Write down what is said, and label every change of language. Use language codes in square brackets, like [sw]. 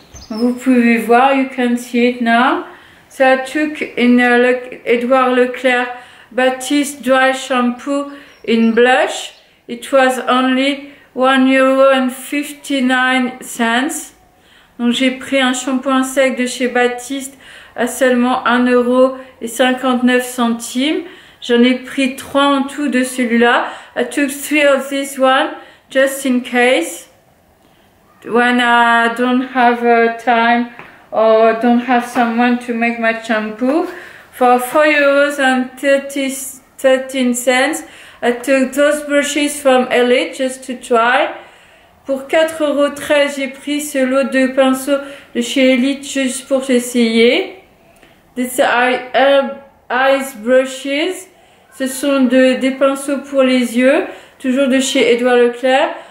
[fr] Vous pouvez voir, [en] you can see it now. So I took in Edouard Leclerc Baptiste dry shampoo in blush. It was only 1,59 €. [fr] Donc j'ai pris un shampoing sec de chez Baptiste à seulement 1,59 €. J'en ai pris 3 en tout de celui-là. [en] I took 3 of this one just in case when I don't have time or don't have someone to make my shampoo. For 4,13 €, I took those brushes from Elite just to try. [fr] Pour 4,13 €, j'ai pris ce lot de pinceaux de chez Elite juste pour essayer. [en] These are eye brushes. [fr] Ce sont des pinceaux pour les yeux, toujours de chez Edouard Leclerc.